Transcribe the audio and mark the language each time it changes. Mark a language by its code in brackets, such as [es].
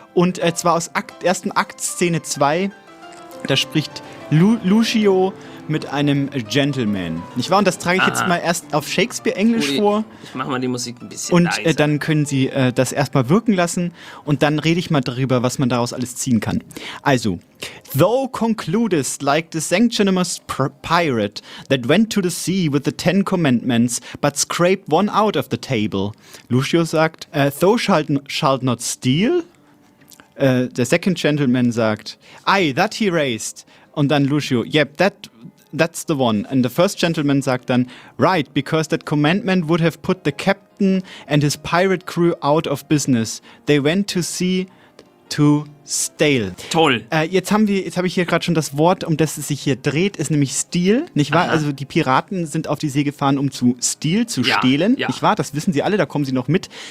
[de] Und zwar aus ersten Akt, Szene 2, da spricht Lucio mit einem Gentleman. Nicht wahr? Und das trage ich jetzt mal erst auf Shakespeare-Englisch vor. Ich mache mal die Musik ein bisschen und leiser. Und dann können Sie das erstmal wirken lassen. Und dann rede ich mal darüber, was man daraus alles ziehen kann. [en] Also, thou concludest like the sanctimonious pirate that went to the sea with the Ten Commandments, but scraped one out of the table. Lucio [de] sagt, [en] thou shalt not steal. [de] Der [en] second gentleman sagt, ay, that he raised. [de] Und dann [en] Lucio, yep, that's the one. And the first gentleman [de] sagt dann, [en] right, because that commandment would have put the captain and his pirate crew out of business. They went to sea to steal. [de] Toll. Jetzt habe ich hier gerade schon das Wort, um das es sich hier dreht, ist nämlich steal, nicht wahr? Aha. Also die Piraten sind auf die See gefahren, um zu stehlen, ja. Nicht wahr? Das wissen sie alle, da kommen sie noch mit.